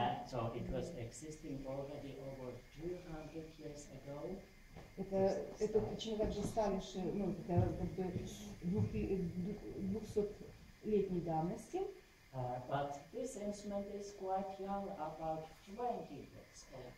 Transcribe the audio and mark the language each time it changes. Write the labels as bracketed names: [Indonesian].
[English] So it was existing already over 200 years ago. [Russian] Это точно так же старше, ну, это как бы 200-летней давности. [English] But this instrument is quite young, about 20 years old.